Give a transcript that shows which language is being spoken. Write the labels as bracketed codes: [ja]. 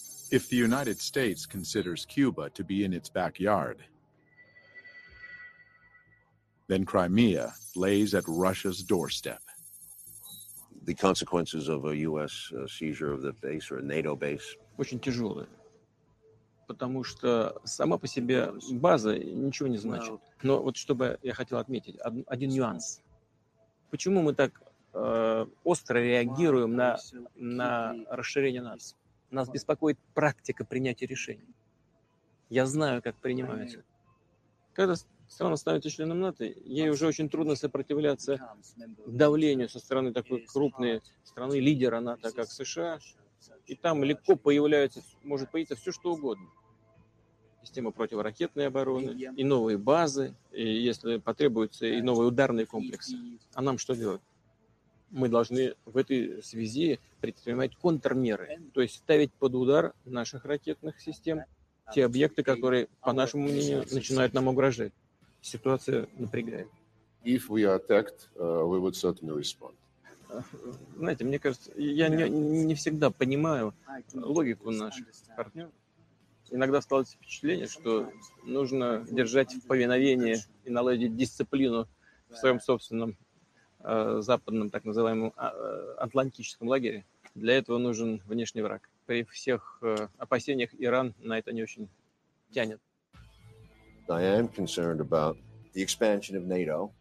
[en] If the United States considers Cuba to be in its backyard, then Crimea lays at Russia's doorstep. The consequences of a U.S. seizure of the base or a NATO base? [ru] Очень тяжелые, потому что сама по себе база ничего не значит. Но вот чтобы я хотел отметить один нюанс. Почему мы так остро реагируем на расширение НАТО? Нас беспокоит практика принятия решений. Я знаю, как принимаются. Когда страна становится членом НАТО, ей уже очень трудно сопротивляться давлению со стороны такой крупной страны, лидера НАТО, как США. И там легко появляется, может появиться все, что угодно. Система противоракетной обороны, и новые базы, и если потребуется, и новые ударные комплексы. А нам что делать? Мы должны в этой связи предпринимать контрмеры, то есть ставить под удар наших ракетных систем те объекты, которые, по нашему мнению, начинают нам угрожать. Ситуация напрягает. [en] If we are attacked, we would certainly respond. [ru] Знаете, мне кажется, я не всегда понимаю логику наших партнеров. Иногда осталось впечатление, что нужно держать в повиновении и наладить дисциплину в своем собственном западном, так называемом, атлантическом лагере. Для этого нужен внешний враг. При всех опасениях Иран на это не очень тянет. [en] I am concerned about the expansion of NATO.